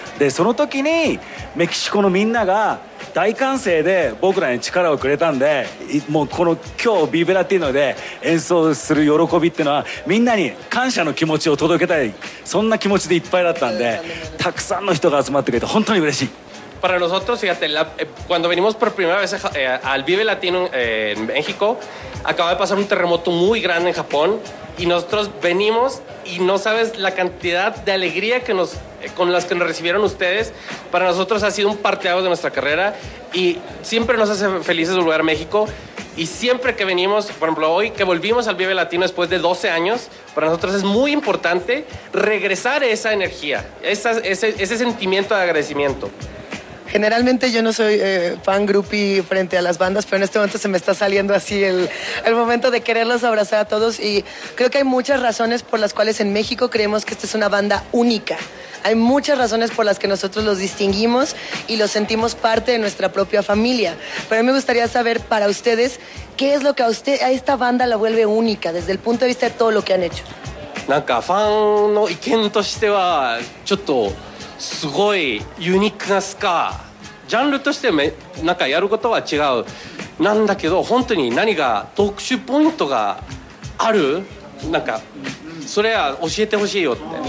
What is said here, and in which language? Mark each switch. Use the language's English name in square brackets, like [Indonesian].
[Japanese] でその時にメキシコのみんなが大歓声で僕らに力をくれたんで、もうこの今日ビブラティーノで演奏する喜びっていうのはみんなに感謝の気持ちを届けたい、そんな気持ちでいっぱいだったんで、たくさんの人が集まってくれて本当に嬉しい。 [Spanish] Para nosotros, fíjate, cuando venimos por primera vez al Vive Latino en México, acaba de pasar un terremoto muy grande en Japón y nosotros venimos y no sabes la cantidad de alegría que nos, con las que nos recibieron ustedes. Para nosotros ha sido un parteaguas de nuestra carrera y siempre nos hace felices volver a México. Y siempre que venimos, por ejemplo, hoy que volvimos al Vive Latino después de 12 años, para nosotros es muy importante regresar esa energía, ese sentimiento de agradecimiento. Generalmente yo no soy fan groupie frente a las bandas, pero en este momento se me está saliendo así el momento de quererlos abrazar a todos. Y creo que hay muchas razones por las cuales en México creemos que esta es una banda única. Hay muchas razones por las que nosotros los distinguimos y los sentimos parte de nuestra propia familia. Pero a mí me gustaría saber para ustedes, ¿qué es lo que a esta banda la vuelve única desde el punto de vista de todo lo que han hecho? [Japanese] なんかファンの意見としてはちょっとすごいユニークなスカジャンルとしてなんかやることは違うなんだけど本当に何が特殊ポイントがあるなんかそれは教えてほしいよって、ね、